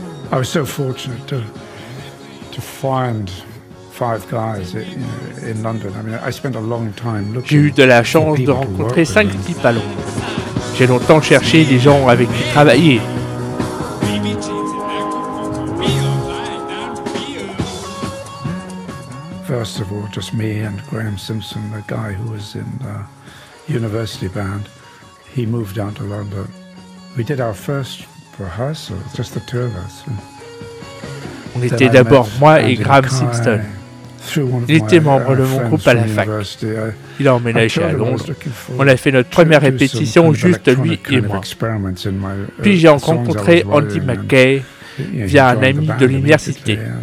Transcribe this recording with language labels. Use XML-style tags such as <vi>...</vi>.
<en>I was so fortunate to find five guys in London. I mean, I spent a long time looking.</en> <fr>J'ai eu de la chance de rencontrer cinq types à Londres. J'ai longtemps cherché des gens avec qui travailler.</fr> <en>First of all, just me and Graham Simpson, the guy who was in the university band. He moved down to London. We did our first rehearsal, just the two of us.</en> <fr>On then était d'abord moi et Graham Simpson. Il était membre de mon groupe à la fac. Il a emménagé à Londres. On a fait notre première répétition, juste lui et moi. Puis j'ai rencontré Andy McKay via un ami de l'université.</fr>